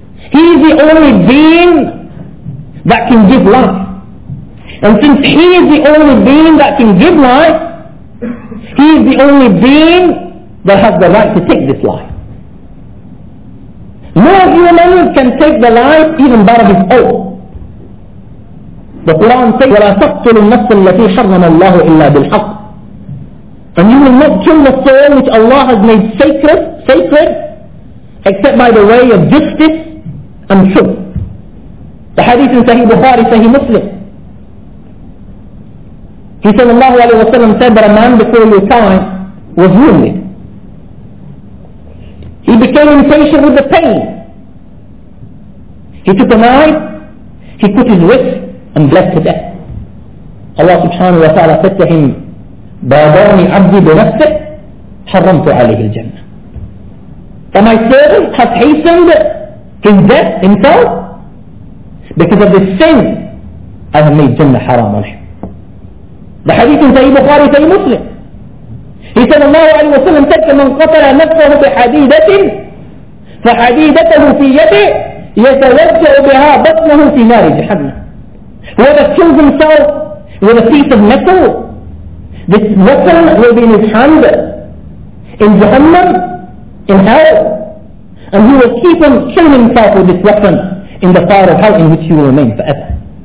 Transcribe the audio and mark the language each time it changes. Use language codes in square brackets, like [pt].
[en] He is the only being that can give life. And since He is the only being that can give life, He is the only being that has the right to take this life. No human can take the life even that of his own. The Quran says, [ar] وَلَا تَقْتُلُ النَّفْسَ الَّتِي حَرَّمَ اللَّهُ إِلَّا بِالْحَقِّ. [en] And you will not kill the soul which Allah has made sacred, except by the way of justice and truth. The hadith in Sahih Bukhari, Sahih Muslim. He said, Allah alayhi wa sallam said that a man before your time was wounded. He became impatient with the pain. He took a knife, he cut his wrist, and bled to death. Allah subhanahu wa ta'ala said to him, [ar] بَادَرْنِي عَبْدِي بِنَفْسِكْ حَرَّمْتُ عَلَيْهِ الْجَنَّةِ. [en] And my servant has hastened his death himself because of this sin I have made Jannah haram on him. The hadith in Sahih Bukhari, Sahih Muslim. He said, Allah alayhi wa sallam said, [ar] مَنْ قَتَلَ نَفْسَهُ بِحَدِيدَةٍ فَحَدِيدَتَهُ فِي يَدِهِ يَتَوَجَّعُ بِهَا بَطْنَهُ فِي نَارِ جَهَنَّمَ. [en] Whoever kills himself with a piece of metal, this weapon will be in his hand in Jahannam, in hell, and he will keep on killing himself with this weapon in the fire of hell in which he will remain forever.